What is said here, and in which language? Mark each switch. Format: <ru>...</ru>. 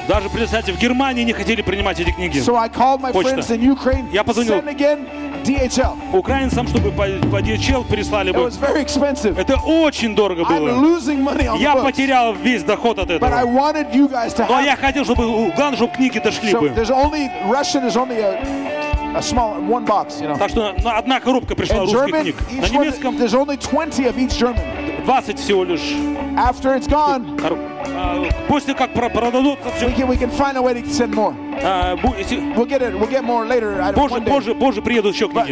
<ru>Даже представьте, в Германии не хотели принимать эти книги.</ru> <en>So I called my friends in Ukraine.</en> <ru>Я позвонил.</ru> <en>Send again DHL.</en> <ru>Украинцам, чтобы по DHL прислали бы.</ru> <en>It was very expensive.</en> <ru>Это очень дорого было.</ru> <en>I'm losing money on books.</en> <ru>Я потерял весь доход от этого.</ru> <en>But I wanted you guys to have.</en> <ru>Но я хотел, чтобы главное, чтобы книги дошли бы.</ru> <en>So there's only Russian is only a small one box, you know.</en> <ru>Так что одна коробка пришла русских книг. На немецком</ru> <en>there's only 20 of each German.</en> <ru>20 всего лишь.</ru> <en>After it's gone.</en> <ru>После как продадутся все.</ru> <en>We can find a way to send more. We'll get it. We'll get more later.</en> <ru>Позже приедут еще книги.</ru>